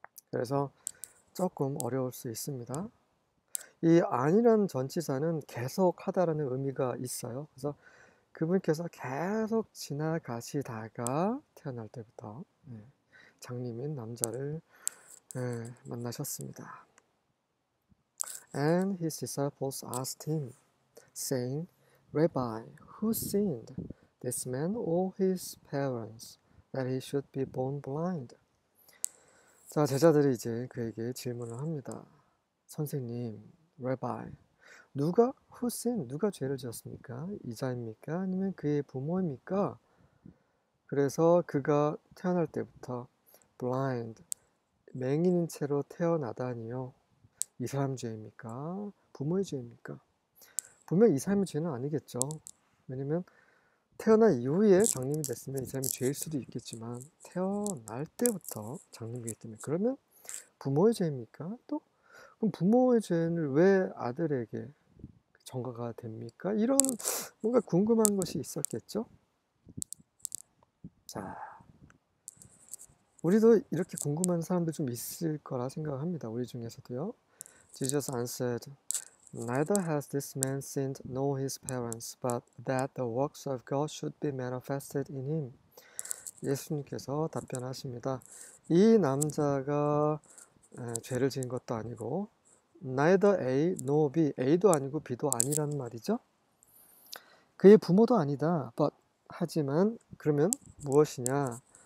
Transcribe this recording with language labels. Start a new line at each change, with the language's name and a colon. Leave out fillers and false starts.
Korean: 그래서 조금 어려울 수 있습니다. 이 안이라는 전치사는 계속하다라는 의미가 있어요. 그래서 그분께서 계속 지나가시다가 태어날 때부터 장님인 남자를 만나셨습니다.
English: And his disciples asked him, saying, Rabbi, who sinned, this man or his parents, that he should be born blind?
Korean: 자, 제자들이 이제 그에게 질문을 합니다. 선생님, 레바이, 누가 후신, 누가 죄를 지었습니까? 이자입니까? 아니면 그의 부모입니까? 그래서 그가 태어날 때부터 블라인드, 맹인인 채로 태어나다니요. 이 사람 죄입니까? 부모의 죄입니까? 분명 이 사람의 죄는 아니겠죠. 왜냐면 태어난 이후에 장님이 됐으면 이 사람이 죄일 수도 있겠지만, 태어날 때부터 장님이기 때문에. 그러면 부모의 죄입니까? 또? 그럼 부모의 죄를 왜 아들에게 전가가 됩니까? 이런 뭔가 궁금한 것이 있었겠죠? 자, 우리도 이렇게 궁금한 사람들 좀 있을 거라 생각합니다. 우리 중에서도요.
English: Jesus answered, Neither has this man sinned nor his parents, but that the works of God should be manifested in him.
Korean: 예수님께서 답변하십니다. 이 남자가 죄를 지은 것도 아니고,
English: neither A nor B,
Korean: A도 아니고 B도 아니라는 말이죠. 그의 부모도 아니다. But 하지만 그러면 무엇이냐?